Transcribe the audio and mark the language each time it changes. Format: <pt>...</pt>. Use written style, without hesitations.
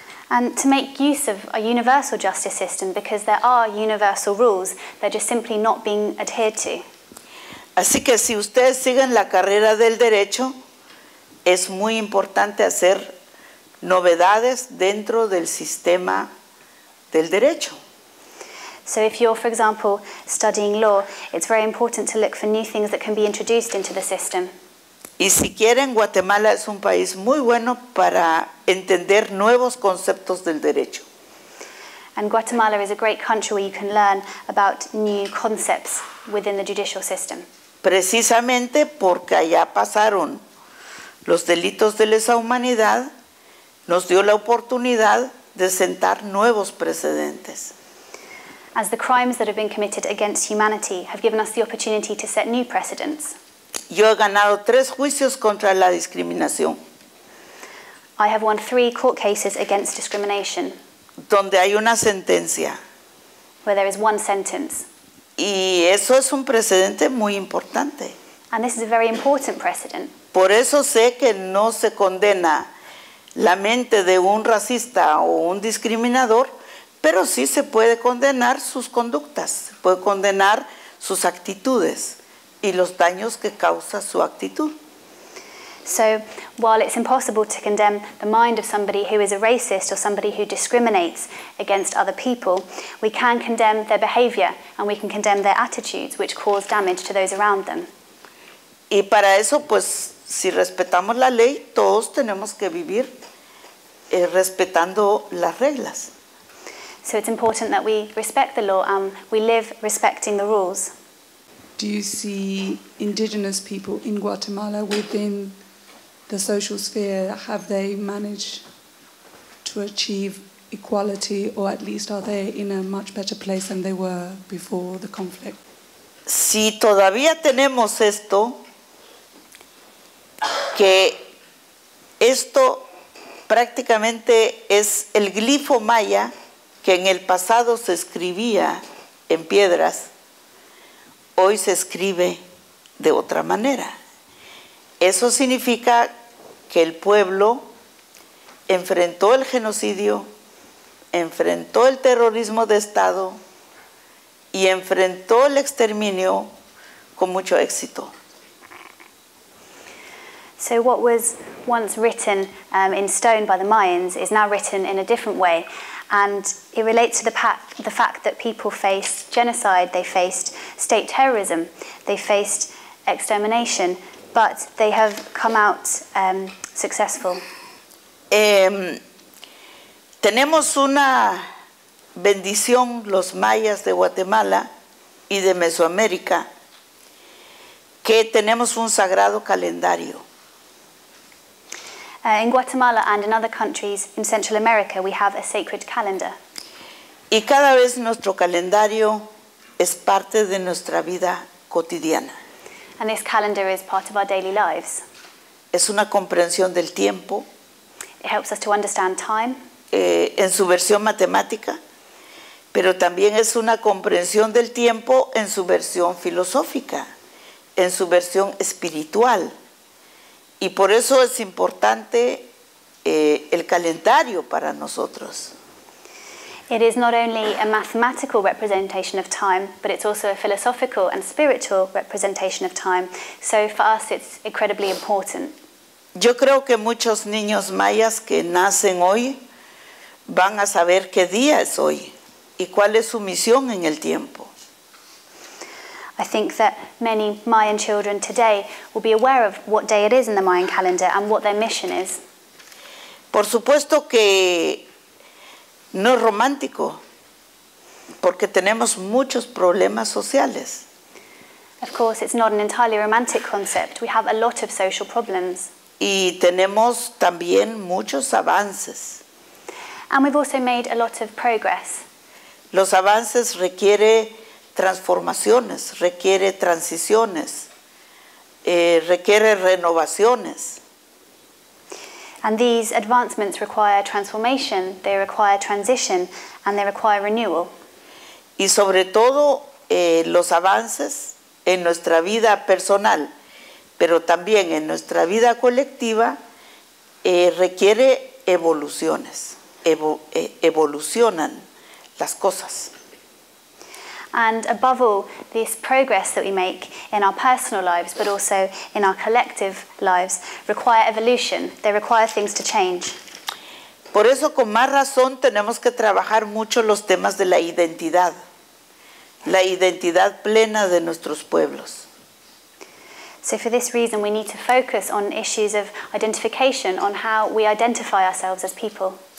<en>And to make use of a universal justice system, because there are universal rules, they're just simply not being adhered to.</en> <es>Así que si ustedes siguen la carrera del derecho, es muy importante hacer novedades dentro del sistema del derecho.</es> <en>So if you're, for example, studying law, it's very important to look for new things that can be introduced into the system.</en> <es>Y si quieren, Guatemala es un país muy bueno para entender nuevos conceptos del derecho.</es> <en>And Guatemala is a great country where you can learn about new concepts within the judicial system.</en> <es>Precisamente porque allá pasaron los delitos de lesa humanidad, nos dio la oportunidad de sentar nuevos precedentes.</es> <en>As the crimes that have been committed against humanity have given us the opportunity to set new precedents.</en> <es>Yo he ganado 3 juicios contra la discriminación.</es> <en>I have won 3 court cases against discrimination.</en> <es>Donde hay una sentencia.</es> <en>Where there is one sentence.</en> <es>Y eso es un precedente muy importante.</es> <en>And this is a very important precedent.</en> <es>Por eso sé que no se condena la mente de un racista o un discriminador, pero sí se puede condenar sus conductas, puede condenar sus actitudes y los daños que causa su actitud.</es> <en>So, while it's impossible to condemn the mind of somebody who is a racist or somebody who discriminates against other people, we can condemn their behavior and we can condemn their attitudes which cause damage to those around them.</en> <es>Y para eso, pues, si respetamos la ley, todos tenemos que vivir respetando las reglas.</es> <en>So it's important that we respect the law and we live respecting the rules. Do you see indigenous people in Guatemala within the social sphere, have they managed to achieve equality, or at least are they in a much better place than they were before the conflict?</en> <es>Si todavía tenemos esto, que esto prácticamente es el glifo maya que en el pasado se escribía en piedras, hoy se escribe de otra manera. Eso significa que el pueblo enfrentó el genocidio, enfrentó el terrorismo de Estado y enfrentó el exterminio con mucho éxito.</es> <en>So what was once written in stone by the Mayans is now written in a different way. And it relates to the fact that people faced genocide, they faced state terrorism, they faced extermination, but they have come out successful.</en> <es>Tenemos una bendición, los mayas de Guatemala y de Mesoamérica, que tenemos un sagrado calendario.</es> <en>In Guatemala and in other countries in Central America, we have a sacred calendar.</en> <es>Y cada vez nuestro calendario es parte de nuestra vida cotidiana.</es> <en>And this calendar is part of our daily lives.</en> <es>Es una comprensión del tiempo.</es> <en>It helps us to understand time.</en> <es>En su versión matemática, pero también es una comprensión del tiempo en su versión filosófica, en su versión espiritual. Y por eso es importante el calendario para nosotros.</es> <en>It is not only a mathematical representation of time, but it's also a philosophical and spiritual representation of time. So for us it's incredibly important.</en> <es>Yo creo que muchos niños mayas que nacen hoy van a saber qué día es hoy y cuál es su misión en el tiempo.</es> <en>I think that many Mayan children today will be aware of what day it is in the Mayan calendar and what their mission is.</en> <es>Por supuesto que no es romántico, porque tenemos muchos problemas sociales.</es> <en>Of course, it's not an entirely romantic concept. We have a lot of social problems.</en> <es>Y tenemos también muchos avances.</es> <en>And we've also made a lot of progress.</en> <es>Los avances requiere transformaciones, requiere transiciones, requiere renovaciones.</es> <en>And these advancements require transformation, they require transition, and they require renewal.</en> <es>Y sobre todo los avances en nuestra vida personal, pero también en nuestra vida colectiva, requiere evoluciones. Evolucionan las cosas.</es> <en>And above all, this progress that we make in our personal lives, but also in our collective lives, require evolution. They require things to change.</en> <es>Por eso, con más razón, tenemos que trabajar mucho los temas de la identidad plena de nuestros pueblos.</es> <en>So for this reason, we need to focus on issues of identification, on how we identify ourselves as people.</en>